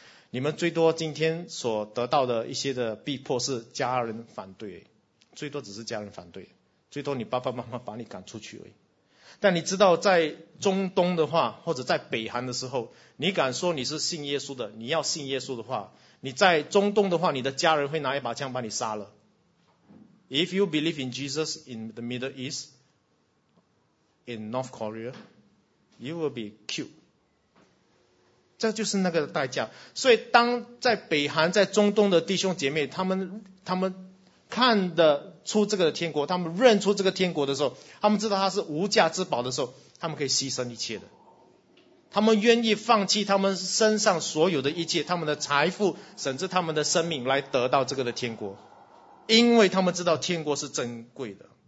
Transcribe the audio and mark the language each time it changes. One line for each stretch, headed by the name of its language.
Chinese: 你们最多今天所得到的一些的逼迫是家人反对，最多只是家人反对，最多你爸爸妈妈把你赶出去而已。但你知道在中东的话，或者在北韩的时候，你敢说你是信耶稣的，你要信耶稣的话，你在中东的话，你的家人会拿一把枪把你杀了。
English: If you believe in Jesus in the Middle East, in North Korea, you will be killed.
Chinese: 这就是那个代价。所以当在北韩在中东的弟兄姐妹，他们看得出这个天国，他们认出这个天国的时候，他们知道它是无价之宝的时候，他们可以牺牲一切的，他们愿意放弃他们身上所有的一切，他们的财富甚至他们的生命来得到这个的天国，因为他们知道天国是珍贵的。